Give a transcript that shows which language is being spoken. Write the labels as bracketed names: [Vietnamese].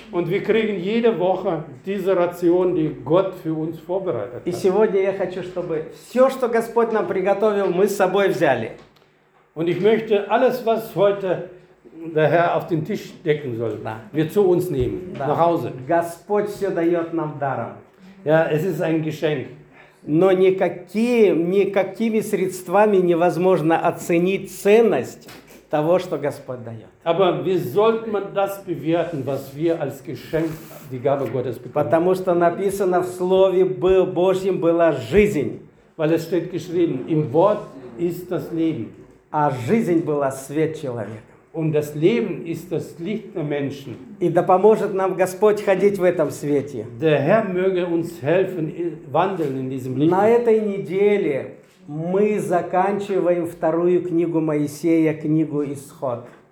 [German] Und wir kriegen jede Woche diese Ration, die Gott für uns vorbereitet hat. [Russian] И сегодня я хочу, чтобы все, что Господь нам приготовил, мы с собой взяли. [German] Und ich möchte alles, was heute der Herr auf den Tisch decken soll, [Russian] да, [German] wir zu uns nehmen, [Russian] да, [German] nach Hause. [Russian] Господь все дает нам даром. [German] Ja, es ist ein Geschenk. [Russian] Но никакими средствами невозможно оценить ценность того, что Господь дает. [German] Aber wie sollte man das bewerten, was wir als Geschenk, die Gabe Gottes bekommen? [Russian] Потому что написано в Слове Божьем была жизнь. [German] Weil es steht geschrieben, im Wort ist das Leben. [Russian] А жизнь была свет человека. [German] Und das Leben ist das Licht der Menschen. [Russian] И да поможет нам Господь ходить в этом свете. [German] Der Herr möge uns helfen, wandeln in diesem Licht. [Russian] На этой неделе мы заканчиваем вторую книгу Моисея, книгу Исход.